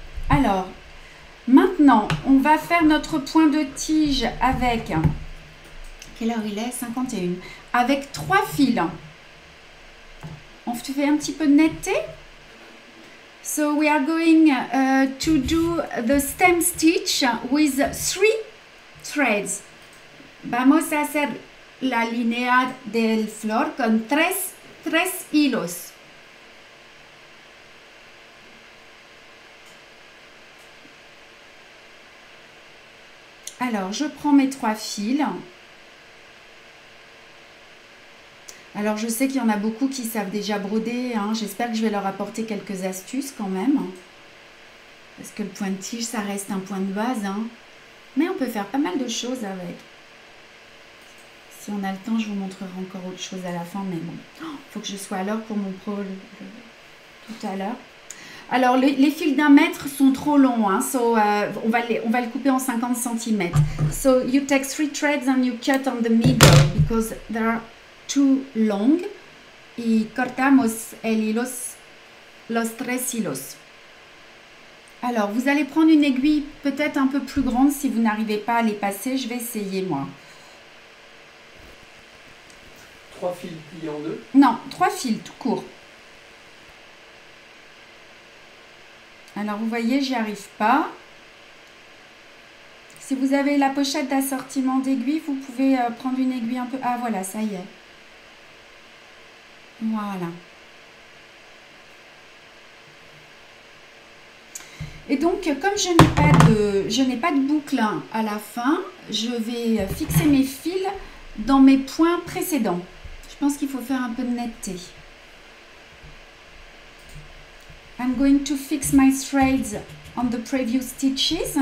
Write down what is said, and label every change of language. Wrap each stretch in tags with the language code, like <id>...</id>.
<fr>Alors, maintenant, on va faire notre point de tige avec... Quelle heure il est? 51. Avec trois fils. On te fait un petit peu de netteté?</fr> <en>So we are going to do the stem stitch with three threads.</en> <es>Vamos a hacer la línea del flor con tres hilos.</es> <fr>Alors, je prends mes trois fils. Alors, je sais qu'il y en a beaucoup qui savent déjà broder. Hein. J'espère que je vais leur apporter quelques astuces quand même. Parce que le point de tige, ça reste un point de base. Hein. Mais on peut faire pas mal de choses avec. Si on a le temps, je vous montrerai encore autre chose à la fin. Mais bon, il faut que je sois à l'heure pour mon pro tout à l'heure. Alors, les fils d'un mètre sont trop longs. Hein. So, on va le couper en 50 cm.</fr> <en>So, you take three threads and you cut on the middle because there are... too long</en> <es>y cortamos el hilo, los tres hilos.</es> <fr>Alors, vous allez prendre une aiguille peut-être un peu plus grande si vous n'arrivez pas à les passer. Je vais essayer, moi. Trois fils pliés en deux? Non, trois fils tout court. Alors, vous voyez, j'y arrive pas. Si vous avez la pochette d'assortiment d'aiguilles, vous pouvez prendre une aiguille un peu... Ah, voilà, ça y est. Voilà. Et donc, comme je n'ai pas de boucle à la fin, je vais fixer mes fils dans mes points précédents. Je pense qu'il faut faire un peu de netteté.</fr> <en>I'm going to fix my threads on the previous stitches.</en>